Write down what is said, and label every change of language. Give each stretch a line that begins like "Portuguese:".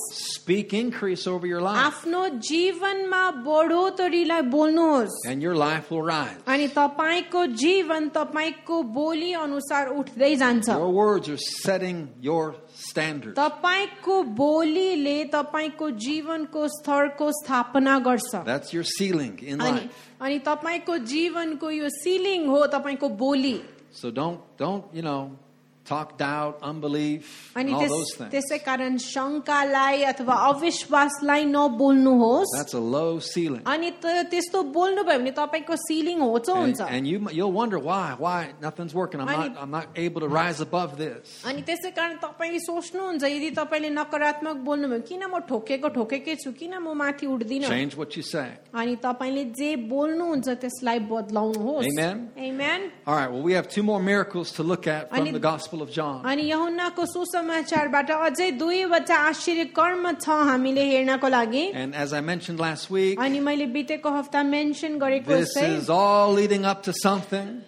English: Speak increase over your life. And your life will rise. Your words are setting your standards.
Nepali: तपाईको बोलीले तपाईको जीवनको स्तरको स्थापना गर्छ.
English: That's your ceiling in life.
Nepali: अनि तपाईको जीवनको यो सीलिंग हो तपाईको बोली.
English: So don't you know, talk doubt, unbelief, and all those things.
Nepali: त्यसै कारण शंकालाई अथवा अविश्वासलाई नबोल्नुहोस्.
English: That's a low ceiling.
Nepali: अनि त्यस्तो बोल्नु भयो भने तपाईको सीलिंग होच हुन्छ.
English: And you'll wonder why nothing's working. I'm not able to rise above this.
Nepali: अनि त्यसै कारण तपाई सोच्नुहुन्छ यदि तपाईले नकारात्मक बोल्नु भयो किन म ठोकेको ठोकेकै छु किन म माथि उड्दिन.
English: Change what you say.
Nepali: अनि तपाईले जे बोल्नुहुन्छ त्यसलाई बदलाउनुहोस्.
English: Amen. Amen. All right, well, we have two more miracles to look at from the gospel of John.
Nepali: अनि यहोन्नाको सुसमाचारबाट अझै दुईवटा आश्चर्यकर्म छ हामीले हेर्नको लागि.
English: And as I mentioned last week,
Nepali: अनि मैले बितेको हप्ता mention गरेको छु,
English: this is all leading up to something.